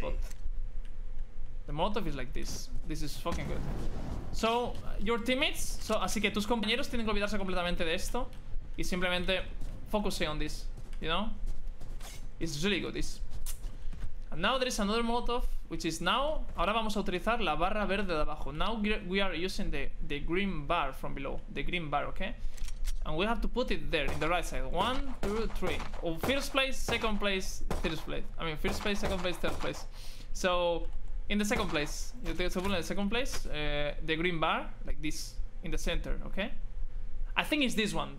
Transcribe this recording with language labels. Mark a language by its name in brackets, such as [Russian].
[English] Spot. The motif is like this. This is fucking good. So your teammates. So [Spanish] así que tus compañeros tienen que olvidarse completamente de esto y simplemente [English] focusing on this, you know. It's really good. It's... And now there is another Molotov, which is now. [Spanish] Ahora vamos a utilizar la barra verde de abajo. [English] Now we are using the green bar from below. The green bar, okay? And we have to put it there, in the right side. One, two, three. Oh, first place, second place, third place. I mean, first place, second place, third place. So, in the second place. You take the bullet in the second place. The green bar, like this, in the center, okay? I think it's this one.